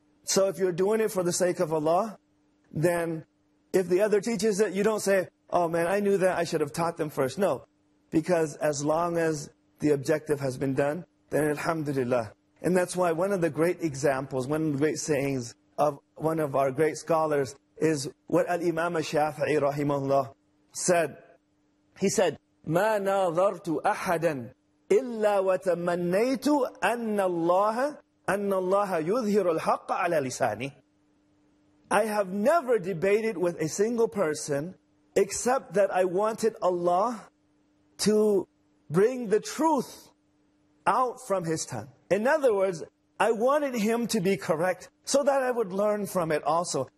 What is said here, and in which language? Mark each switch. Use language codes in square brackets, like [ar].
[en] So if you're doing it for the sake of Allah, then if the other teaches it, you don't say, oh man, I knew that, I should have taught them first. No, because as long as the objective has been done, then alhamdulillah. And that's why one of the great examples, one of the great sayings of one of our great scholars is what Al-Imam Shafi'i rahimahullah said. He said, [ar] مَا نَظَرْتُ أَحَدًا إِلَّا وَتَمَنَّيْتُ أَنَّ اللَّهَ يُظْهِرُ الْحَقَّ عَلَى لِسَانِي. [en] I have never debated with a single person except that I wanted Allah to bring the truth out from his tongue. In other words, I wanted him to be correct so that I would learn from it also.